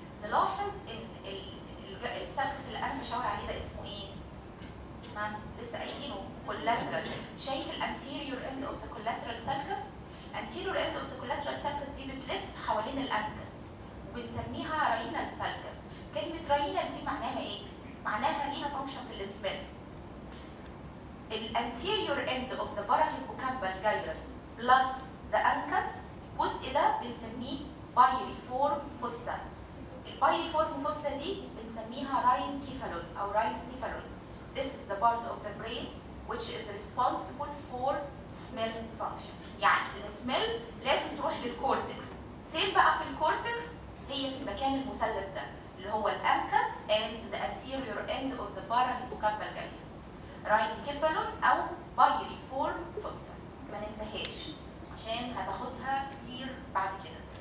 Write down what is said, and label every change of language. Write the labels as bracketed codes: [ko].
[ar] نلاحظ ان السالكس اللي انا بشاور عليه ده اسمه ايه؟ تمام لسه قايلينه كولاترال. شايف الانتيريور اند اوف ذا كولاترال سالكس؟ [en] anterior end of the collateral sulcus [ar] دي بتلف حوالين الانكس وبنسميها رينال سالكس. كلمة رينال دي معناها ايه؟ معناها ليها function في السبل. [en] ال anterior end of the parahippocampal gyrus plus the ancus [ar] جزء ده بنسميه [en] piriform fossa. [ar] ال piriform fossa دي بنسميها رين كيفالون او رين سيفالون. [en] This is the part of the brain which is responsible for smell function. [ar] يعني السميل لازم تروح للكورتكس. فين بقى في الكورتكس؟ هي في المكان المثلث ده اللي هو الانكس [en] and the anterior end of the parahippocampal gyrus [ar] راين كيفالون او بايريفورم فوسا. ما ننساهاش عشان هتاخدها كتير بعد كده.